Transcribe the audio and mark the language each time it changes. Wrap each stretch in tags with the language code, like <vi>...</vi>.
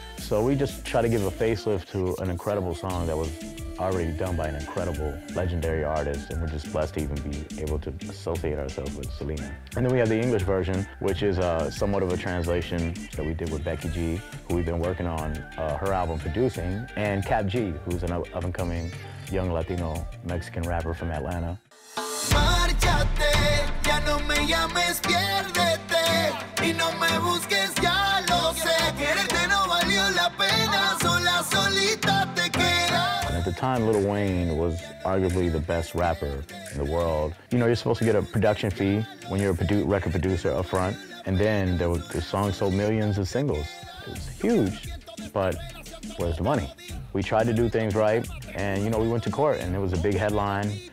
<en>So we just try to give a facelift to an incredible song that was already done by an incredible, legendary artist, and we're just blessed to even be able to associate ourselves with Selena. And then we have the English version, which is somewhat of a translation that we did with Becky G, who we've been working on her album producing, and Cap G, who's an up-and-coming young Latino Mexican rapper from Atlanta.</en> <es>Marchate, ya no me llames, piérdete, y no me busques, ya lo sé, quererte no valió la pena, sola, solita te quedas.</es> <en>And at the time, Lil Wayne was arguably the best rapper in the world. You know, you're supposed to get a production fee when you're a record producer up front, and then the song sold millions of singles. It was huge, but where's the money? We tried to do things right, and you know, we went to court, and it was a big headline.</en>